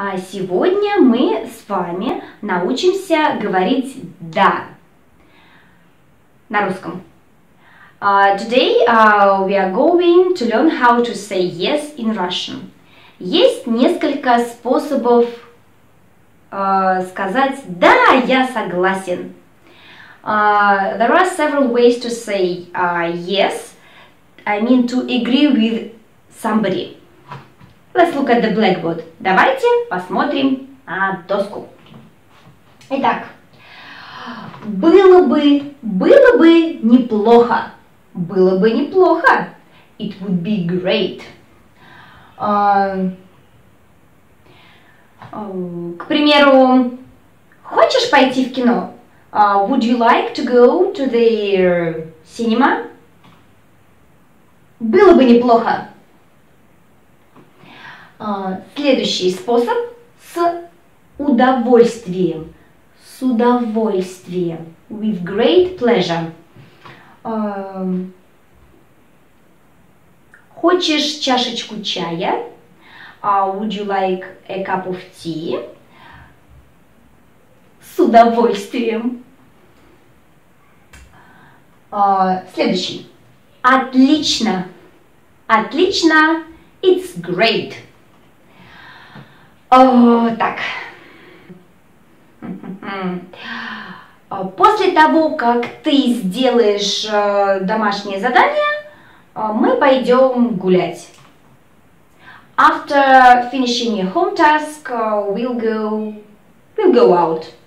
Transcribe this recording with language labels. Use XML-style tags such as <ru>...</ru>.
<ru>Сегодня мы с вами научимся говорить «да» на русском.</ru> <en>Today we are going to learn how to say yes in Russian.</en> <ru>Есть несколько способов сказать «да, я согласен».</ru> <en>There are several ways to say yes, I mean to agree with somebody. Let's look at the blackboard.</en> <ru>Давайте посмотрим на доску. Итак, было бы неплохо. Было бы неплохо.</ru> <en>It would be great.</en> <ru>К примеру, хочешь пойти в кино?</ru> <en>Would you like to go to the cinema?</en> <ru>Было бы неплохо. Следующий способ – с удовольствием. С удовольствием.</ru> <en>With great pleasure.</en> <ru>Хочешь чашечку чая?</ru> <en>Would you like a cup of tea?</en> <ru>С удовольствием. Следующий. Отлично. Отлично.</ru> <en>It's great.</en> <ru>Так. После того, как ты сделаешь домашнее задание, мы пойдем гулять.</ru> <en>After finishing your home task, we'll go out.</en>